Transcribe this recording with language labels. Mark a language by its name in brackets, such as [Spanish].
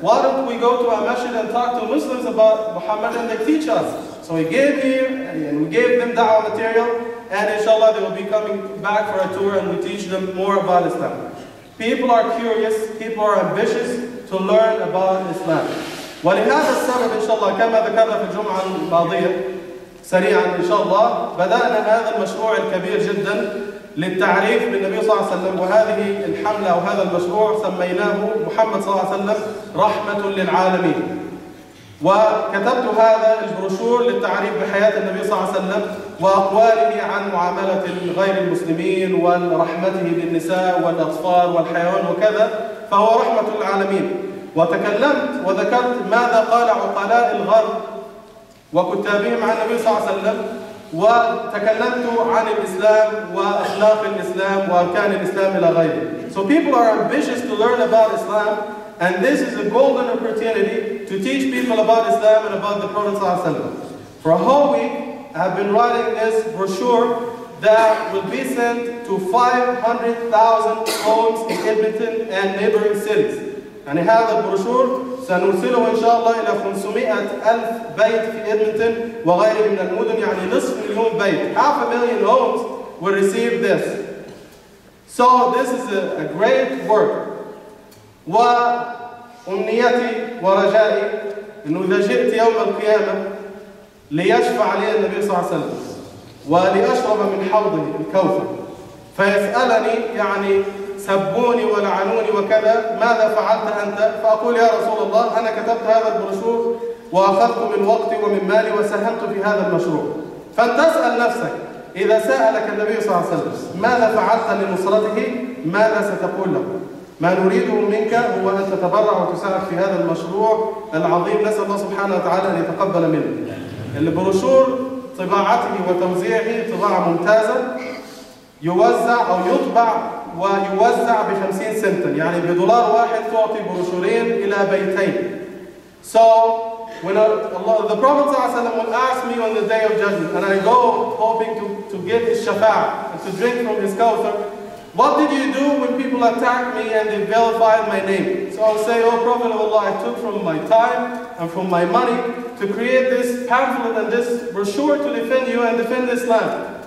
[English] Why don't we go to a masjid and talk to Muslims about Muhammad and they teach us? So he gave him and we gave them da'wah material. And inshallah, they will be coming back for a tour and we teach them more about Islam. People are curious, people are ambitious to learn about Islam. [Arabic] ولهذا السبب إن شاء الله كما ذكرنا في الجمعة الماضية سريعا إن شاء الله بدأنا هذا المشروع الكبير جدا للتعريف بالنبي صلى الله عليه وسلم، وهذه الحملة أو هذا المشروع سميناه محمد صلى الله عليه وسلم رحمة للعالمين. وكتبت هذا البروشور للتعريف بحياة النبي صلى الله عليه وسلم وأقواله عن معاملة غير المسلمين ورحمته بالنساء والأطفال والحيوان وكذا، فهو رحمة العالمين. وتكلمت وذكرت ماذا قال عقلاء الغرب وكتابهم عن النبي صلى الله عليه وسلم، وتكلمت عن الإسلام وأخلاق الإسلام وأركان الإسلام إلى غيره. [English] So people are ambitious to learn about Islam, and this is a golden opportunity to teach people about Islam and about the Prophet [Arabic] صلى الله عليه وسلم. [English] For a whole week, I've been writing this brochure that will be sent to 500,000 homes in Edmonton and neighboring cities. And I have a brochure. [Arabic] سنرسله إن شاء الله إلى 500,000 بيت في إدمنتون وغيره من المدن، يعني نصف مليون بيت. [English] Half a million homes will receive this. So this is a great work. [Arabic] وأمنيتي ورجائي إنه إذا جئت يوم القيامة ليشفع لي النبي صلى الله عليه وسلم ولأشرب من حوضه الكوثر فيسألني يعني سبوني ولعنوني وكذا ماذا فعلت أنت؟ فأقول يا رسول الله أنا كتبت هذا البروشور وأخذت من وقتي ومن مالي وساهمت في هذا المشروع. فلتسأل نفسك إذا سألك النبي صلى الله عليه وسلم ماذا فعلت لنصرته ماذا ستقول له؟ ما نريده منك هو أن تتبرع وتساعد في هذا المشروع العظيم، نسأل الله سبحانه وتعالى أن يتقبل منه. البروشور طباعته وتوزيعه طباعة ممتازة، يوزع أو يطبع ويوزع بخمسين سنتا، يعني بدولار واحد تعطي بروشورين إلى بيتين. [English] So when Allah, the Prophet [Arabic] صلى الله عليه وسلم [English] will ask me on the day of judgment and I go hoping to get his شفاعة and to drink from his kawthar, what did you do when people attacked me and they vilified my name? So I'll say, oh Prophet of Allah, I took from my time and from my money to create this pamphlet and this brochure to defend you and defend Islam.